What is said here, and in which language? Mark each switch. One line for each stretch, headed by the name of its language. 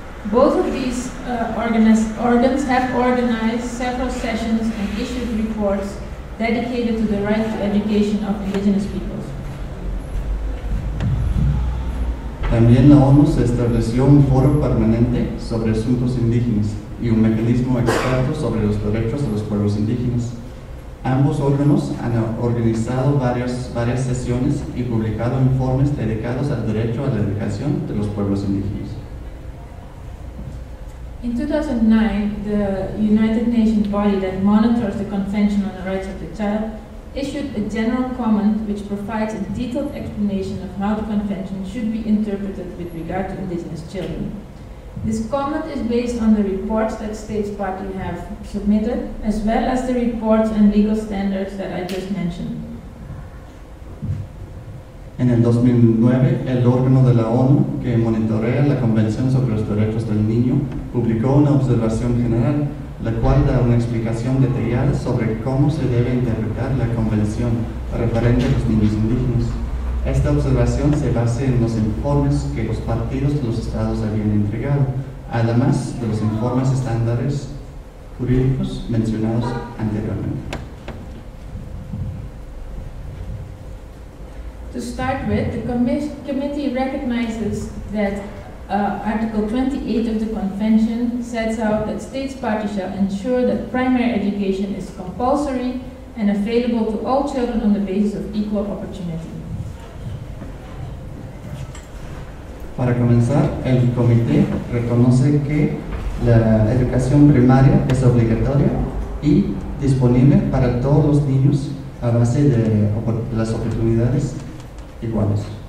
English: Both of these organs have organized several sessions and issued reports dedicated to the right to education of indigenous peoples.
Spanish: También la ONU se estableció un foro permanente sobre asuntos indígenas y un mecanismo experto sobre los derechos de los pueblos indígenas. Ambos órganos han organizado varias sesiones y publicado informes dedicados al derecho a la educación de los pueblos indígenas.
English: In 2009, the United Nations body that monitors the Convention on the Rights of the Child issued a general comment which provides a detailed explanation of how the convention should be interpreted with regard to indigenous children. This comment is based on the reports that States Party have submitted, as well as the reports and legal standards that I just mentioned.
Spanish: En el 2009, el órgano de la ONU que monitorea la Convención sobre los Derechos del Niño publicó una observación general, la cual da una explicación detallada sobre cómo se debe interpretar la Convención referente a los niños indígenas. Esta observación se basa en los informes que los partidos de los estados habían entregado, además de los informes estándares jurídicos mencionados anteriormente.
English: To start with, the committee recognizes that Article 28 of the Convention sets out that states' parties shall ensure that primary education is compulsory and available to all children on the basis of equal opportunity.
Spanish: Para comenzar, el comité reconoce que la educación primaria es obligatoria y disponible para todos los niños a base de las oportunidades iguales.